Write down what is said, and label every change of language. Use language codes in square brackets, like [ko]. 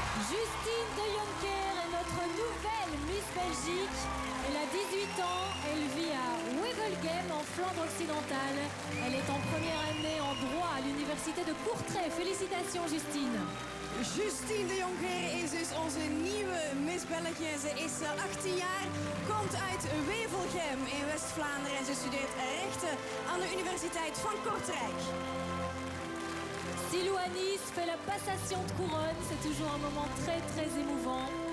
[fr] Justine de Jonkheren, notre nouvelle Miss Belgique. Elle a 18 ans, elle vit à Wevelgem en Flandre occidentale. Elle est en première année en droit à l'université de Courtrai. Félicitations Justine. [nl] Justine de Jonkheren is dus onze nieuwe Miss België. Ze is 18 jaar, komt uit Wevelgem in West-Vlaanderen en ze studeert rechten aan de Universiteit van Kortrijk. [fr] Silouanis fait la passation de couronne, c'est toujours un moment très très émouvant.